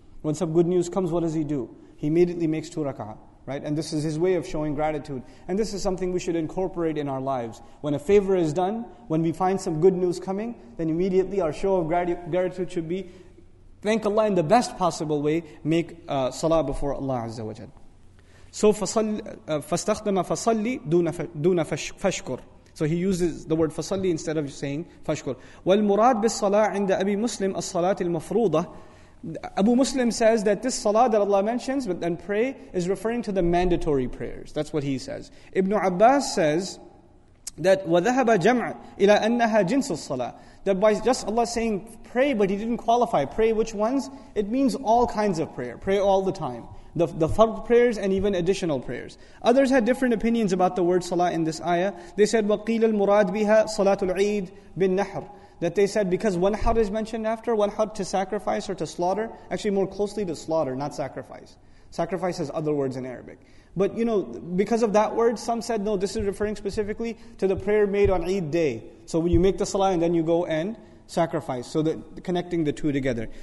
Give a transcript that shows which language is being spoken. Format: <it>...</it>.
<en>When some good news comes, what does he do? He immediately makes 2 rak'ah. Right? And this is his way of showing gratitude. And this is something we should incorporate in our lives. When a favor is done, when we find some good news coming, then immediately our show of gratitude should be, thank Allah in the best possible way, make salah before Allah Azza wa Jal.</en> <ar>So, فَاسْتَخْدَمَ فَصَلِّ دُونَ فَشْكُرُ.</ar> <en>So he uses the word فَصَلِّ instead of saying فَشْكُرُ.</en> <ar>وَالْمُرَادِ بِالصَّلَاةِ عِنْدَ أَبِي مُسْلِمْ الصَّلَاةِ الْمَفْرُوضَةِ.</ar> <en>Abu Muslim says that this salah that Allah mentions, but then pray, is referring to the mandatory prayers. That's what he says. Ibn Abbas says that</en> <ar>وَذَهَبَ جَمْعًا إِلَى أَنَّهَا جِنْسُ الصَّلَاةِ.</ar> <en>That by just Allah saying pray, but he didn't qualify. Pray which ones? It means all kinds of prayer. Pray all the time. The fard prayers and even additional prayers. Others had different opinions about the word salah in this ayah. They said</en> <ar>وَقِيلَ الْمُرَادِ بِهَا صَلَاةُ الْعِيدِ بِالنَّحْرِ.</ar> <en>That they said because wanhar is mentioned after, wanhar to sacrifice or to slaughter, actually more closely to slaughter, not sacrifice. Sacrifice has other words in Arabic. But you know, because of that word, some said, no, this is referring specifically to the prayer made on Eid day. So when you make the salah and then you go and sacrifice, so that connecting the two together.</en>